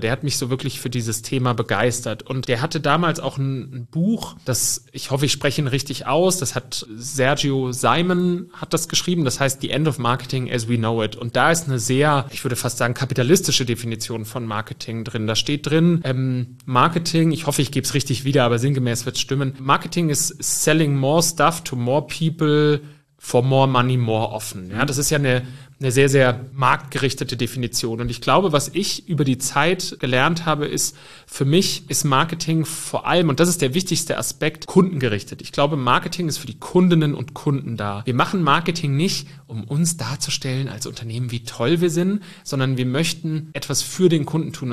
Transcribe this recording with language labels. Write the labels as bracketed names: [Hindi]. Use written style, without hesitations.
[German] Der hat mich so wirklich für dieses Thema begeistert. Und der hatte damals auch ein Buch, das, ich hoffe, ich spreche ihn richtig aus, das hat Sergio Simon hat das geschrieben, das heißt The End of Marketing as We Know It. Und da ist eine sehr, ich würde fast sagen, kapitalistische Definition von Marketing drin. Da steht drin, Marketing, ich hoffe, ich gebe es richtig wieder, aber sinngemäß wird es stimmen. [English] Marketing is selling more stuff to more people for more money, more often. [German] Ja, das ist ja eine sehr, sehr marktgerichtete Definition. Und ich glaube, was ich über die Zeit gelernt habe, ist, für mich ist Marketing vor allem, und das ist der wichtigste Aspekt, kundengerichtet. Ich glaube, Marketing ist für die Kundinnen und Kunden da. Wir machen Marketing nicht, um uns darzustellen als Unternehmen, wie toll wir sind, sondern wir möchten etwas für den Kunden tun.